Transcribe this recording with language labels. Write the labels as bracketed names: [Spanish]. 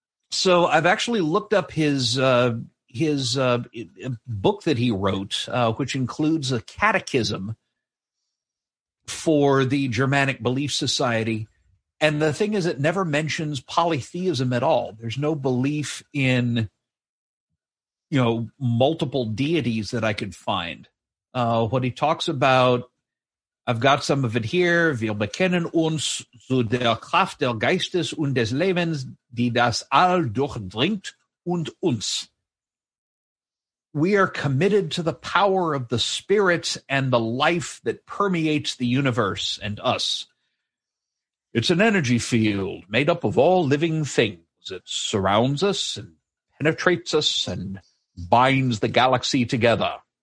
[English] So I've actually looked up his book that he wrote, which includes a catechism for the Germanic Belief Society. And the thing is, it never mentions polytheism at all. There's no belief in, you know, multiple deities that I could find. What he talks about, I've got some of it here. [German] Wir bekennen uns zu der Kraft des Geistes und des Lebens, die das All durchdringt und uns. [English] We are committed to the power of the Spirit and the life that permeates the universe and us. It's an energy field made up of all living things. It surrounds us and penetrates us and binds the galaxy together.